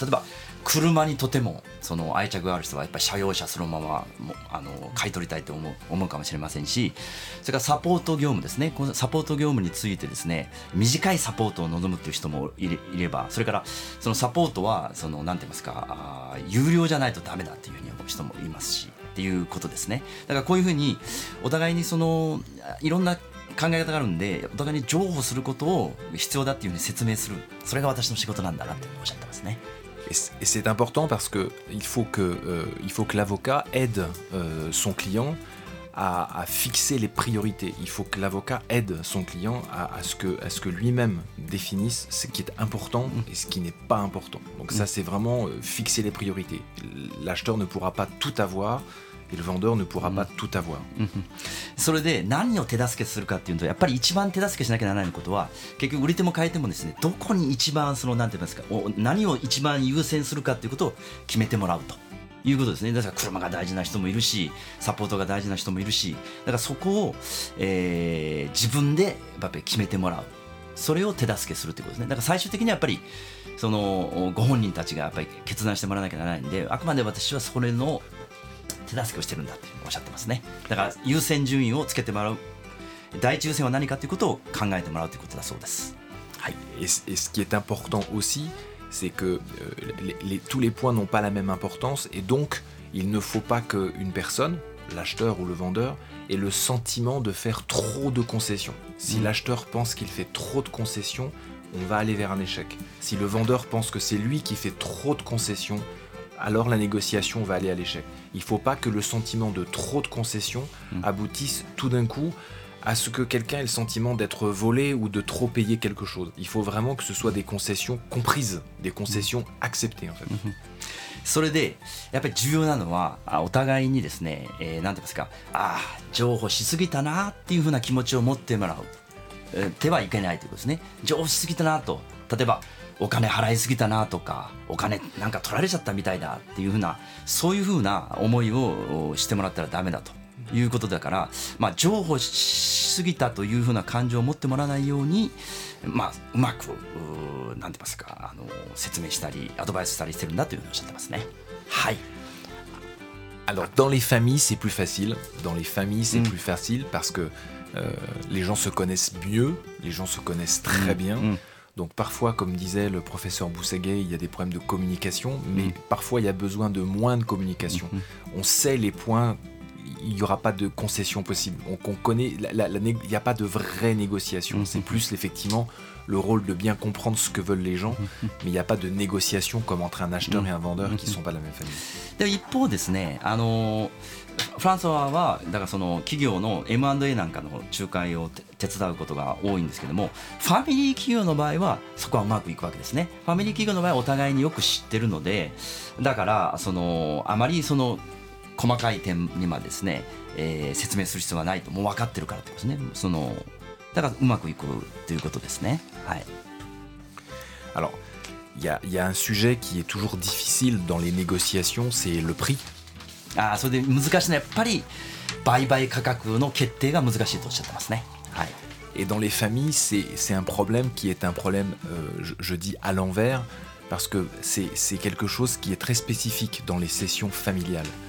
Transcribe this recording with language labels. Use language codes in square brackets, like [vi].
[ja] 例えば車にとてもその愛着がある人はやっぱり車用車そのままも買い取りたいと思うかもしれませんし、それからサポート業務ですね、このサポート業務についてですね、短いサポートを望むっていう人もいれば、それからそのサポートはそのなんて言いますか、有料じゃないとダメだっていうふうに思う人もいますしっていうことですね。だからこういうふうにお互いにそのいろんな考え方があるんで、お互いに譲歩することを必要だっていうふうに説明する、それが私の仕事なんだなっておっしゃってますね。 [fr] Et c'est important parce qu'il faut que l'avocat aide son client à fixer les priorités. Il faut que l'avocat aide son client à ce que lui-même définisse ce qui est important et ce qui n'est pas important. Donc ça, c'est vraiment fixer les priorités. L'acheteur ne pourra pas tout avoir et le vendeur ne pourra pas tout avoir. [ja] それで何を手助けするかっていうと、やっぱり一番手助けしなきゃならないことは、結局売り手も買い手もですね、どこに一番その何て言いますか、何を一番優先するかっていうことを決めてもらうということですね。だから車が大事な人もいるし、サポートが大事な人もいるし、だからそこを、自分でやっぱり決めてもらう。それを手助けするということですね。だから最終的にはやっぱりそのご本人たちがやっぱり決断してもらわなきゃならないんで、あくまで私はそれの手助けをしてるんだっておっしゃってますね。だから優先順位をつけてもらう、第一優先は何かということを考えてもらうということだそうです。はい。 [fr] Et ce qui est important aussi, c'est que tous les points n'ont pas la même importance, et donc il ne faut pas qu'une personne, l'acheteur ou le vendeur, ait le sentiment de faire trop de concessions. Si l'acheteur pense qu'il fait trop de concessions, on va aller vers un échec. Si le vendeur pense que c'est lui qui fait trop de concessions, alors la négociation va aller à l'échec. Il ne faut pas que le sentiment de trop de concessions aboutisse tout d'un coup à ce que quelqu'un ait le sentiment d'être volé ou de trop payer quelque chose. Il faut vraiment que ce soit des concessions comprises, des concessions acceptées en fait. [ja] それでやっぱり重要なのはお互いにですね、何て言いますか、ああ譲歩しすぎたなっていう風な気持ちを持ってもらう、手はいけないということですね。譲歩しすぎたなと、例えばお金払いすぎたなとか、お金なんか取られちゃったみたいだっていう風な、そういう風な思いをしてもらったらダメだということだから、まあ、譲歩しすぎたという風な感情を持ってもらわないように、まあ、うまく何て言いますか、説明したりアドバイスしたりしてるんだというふうにおっしゃってますね。はい。 [fr] Alors, dans les familles, c'est plus facile. Dans les familles, c'est plus facile parce que les gens se connaissent mieux, les gens se connaissent très bien. Donc parfois, comme disait le professeur Bousseguet, il y a des problèmes de communication, mais parfois il y a besoin de moins de communication. On sait les points, il n'y aura pas de concession possible. On connaît, il n'y a pas de vraie négociation. C'est plus effectivement le rôle de bien comprendre ce que veulent les gens, mais il n'y a pas de négociation comme entre un acheteur et un vendeur qui ne sont pas la même famille. [ja] で、一方ですね、フランソワはだからその企業の M&A なんかの仲介を手伝うことが多いんですけども、ファミリー企業の場合はそこはうまくいくわけですね。ファミリー企業の場合はお互いによく知ってるので、だからそのあまりその細かい点にはですね、説明する必要がないと、もう分かってるからってことですね。そのだからうまくいくということですね。はい。 [fr] Alors, il y a un sujet qui est toujours difficile dans les négociations, c'est le prix. [ja] ああ、それで難しいね。やっぱり売買価格の決定が難しいとおっしゃってますね。はい。 [fr] Et dans les familles, c'est un problème qui est un problème, je dis à l'envers, parce que c'est quelque chose qui est très spécifique dans les sessions familiales.